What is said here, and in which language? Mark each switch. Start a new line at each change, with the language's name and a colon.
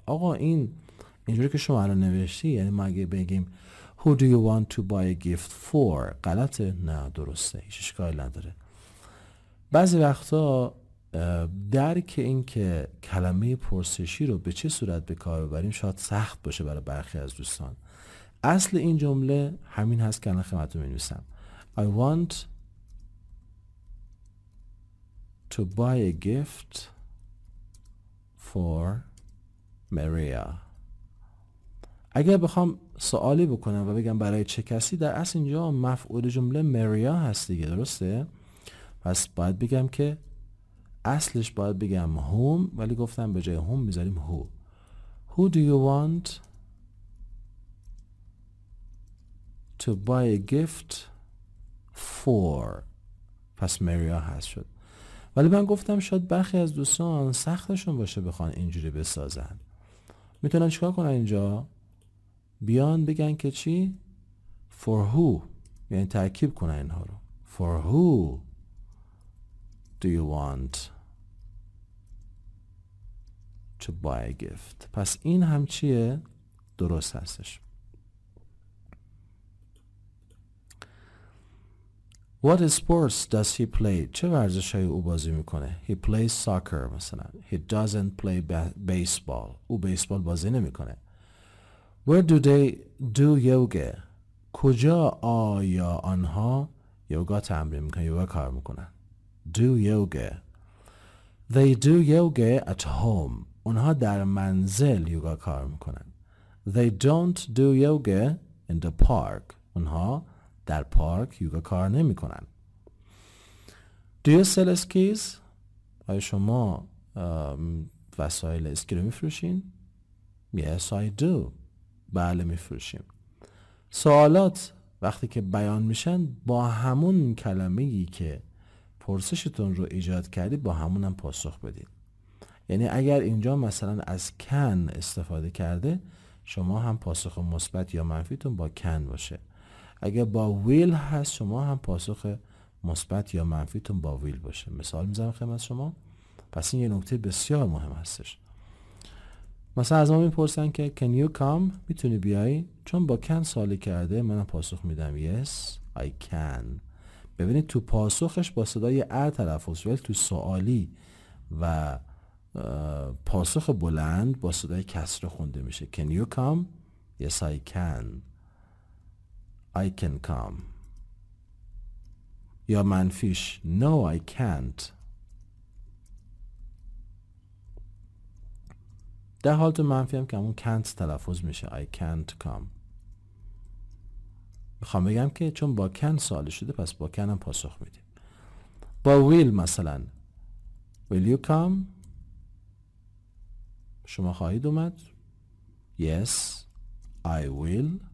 Persian: آقا این اینجوری که شما الان نوشتی، یعنی ما اگه بگیم
English: who do you want to buy a gift for،
Persian: غلطه؟ نه درسته، هیچ اشکالی نداره. بعضی وقتا درک این که کلمه پرسشی رو به چه صورت به کار ببریم شاید سخت باشه برای برخی از دوستان. اصل این جمله همین هست که الان خدمتتون می‌نویسم.
English: I want to buy a gift for Maria.
Persian: اگر بخوام سوالی بکنم و بگم برای چه کسی، در اصل اینجا مفعول جمله مریا هست دیگه، درسته؟ پس باید بگم که اصلش باید بگم whom، ولی گفتم به جای whom میذاریم who.
English: Who do you want to buy a gift for؟
Persian: پس مریا هست شد. ولی من گفتم شاید برخی از دوستان سختشون باشه بخوان اینجوری بسازن، میتونن چیکار کنن اینجا؟ بیان بگن که چی؟
English: For who،
Persian: یعنی ترکیب کنن اینها رو.
English: For who do you want to buy a gift؟
Persian: پس این هم چیه؟ درست هستش.
English: What sports does he play؟
Persian: چه ورزش های او بازی میکنه؟
English: He plays soccer مثلا. He doesn't play baseball.
Persian: او بیسبال بازی نمیکنه.
English: Where do they do yoga؟
Persian: کجا آیا آنها یوگا تمرین میکنن، یوگا کار میکنن؟
English: Do yoga. They do yoga at home.
Persian: اونها در منزل یوگا کار میکنن.
English: They don't do yoga in the park.
Persian: اونها در پارک یوگا کار نمی کنن.
English: Do you sell skis؟
Persian: آیا شما وسایل اسکی رو می فروشین؟
English: Yes I do.
Persian: بله می فروشیم. سوالات وقتی که بیان میشن با همون کلمه‌ای که پرسشتون رو ایجاد کردی با همون هم پاسخ بدید. یعنی اگر اینجا مثلا از can استفاده کرده، شما هم پاسخ مثبت یا منفیتون با can باشه. اگه با will هست، شما هم پاسخ مثبت یا منفیتون با will باشه. مثال میزنم خدمت شما. پس این یه نکته بسیار مهم هستش. مثلا از ما میپرسن که
English: can you come؟
Persian: میتونی بیای؟ چون با can سوالی کرده، منم پاسخ میدم
English: yes I can.
Persian: ببینید تو پاسخش با صدای ا تلفظ، ولی تو سوالی و پاسخ بلند با صدای کسر خونده میشه.
English: can you come؟ yes I can. I can come.
Persian: یا منفیش
English: No I can't.
Persian: در حالت منفی هم که همون can't تلفظ میشه
English: I can't come.
Persian: میخوام بگم که چون با can سوال شده پس با can هم پاسخ میدیم.
English: با will مثلا Will you come؟
Persian: شما خواهید اومد؟
English: Yes I will.